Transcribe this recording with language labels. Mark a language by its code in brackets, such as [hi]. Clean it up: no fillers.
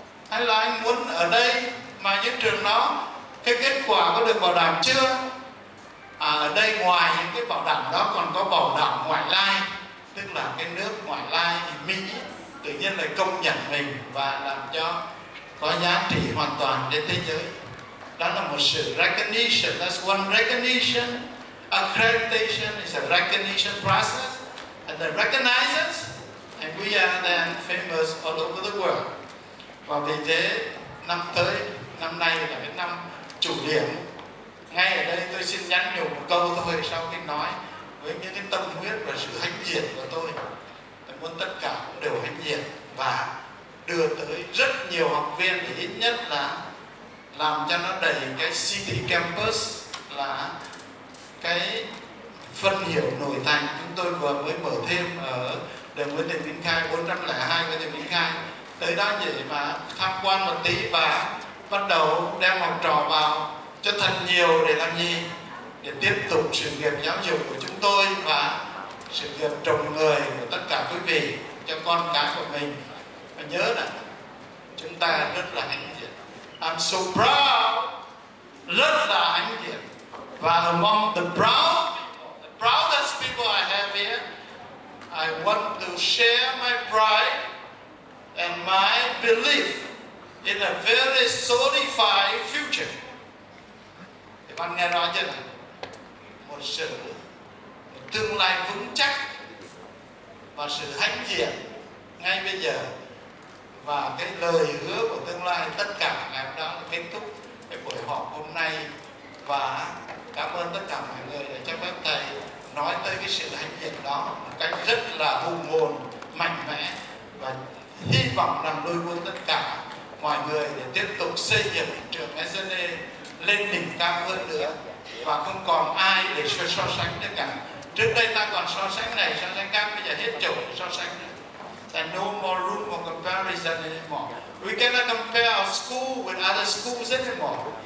[vi] Hay là anh muốn ở đây mà những trường đó cái kết quả có được bảo đảm chưa? Ở đây ngoài những cái bảo đảm đó còn có bảo đảm ngoại lai, tức là cái nước ngoại lai thì Mỹ tự nhiên lại công nhận mình và làm cho có giá trị hoàn toàn trên thế giới. Đó là một sự recognition, [en] that's one recognition. Accreditation is a recognition process, and they recognize us, and we are then famous all over the world. [vi] Và vì thế, năm nay là cái năm chủ điểm. Ngay ở đây tôi xin nhắn nhủ một câu thôi sau khi nói, với những cái tâm huyết và sự hãnh diện của tôi. Tôi muốn tất cả cũng đều hãnh diện và đưa tới rất nhiều học viên, thì ít nhất là làm cho nó đầy cái City Campus, là cái phân hiệu nội thành chúng tôi vừa mới mở thêm ở đường Nguyễn Thị Minh Khai, 402 Nguyễn Thị Minh Khai. Tới đó vậy mà tham quan một tí và bắt đầu đem học trò vào cho thật nhiều để làm gì? Để tiếp tục sự nghiệp giáo dục của chúng tôi và sự nghiệp trồng người của tất cả quý vị cho con cái của mình. Và nhớ là chúng ta rất là hãnh diện. [en] I'm so proud, [vi] rất là hãnh diện. [en] Và among the proud people, the proudest people I have here, I want to share my pride and my belief in a very solidified future. [vi] Thì bạn nghe nói chứ là một tương lai vững chắc và sự hãnh diện ngay bây giờ. Và cái lời hứa của tương lai tất cả ngày hôm đó kết thúc cái buổi họp hôm nay. Và cảm ơn tất cả mọi người đã cho phép thầy nói tới cái sự hãnh diện đó một cách rất là hùng hồn, mạnh mẽ. Và hy vọng rằng đôi quân tất cả mọi người để tiếp tục xây dựng trường SNE lên đỉnh cao hơn nữa. Và không còn ai để so sánh nữa cả. Trước đây ta còn so sánh này, so sánh khác, bây giờ hết chỗ để so sánh nữa. [en] And no more room for comparison anymore. We cannot compare our school with other schools anymore.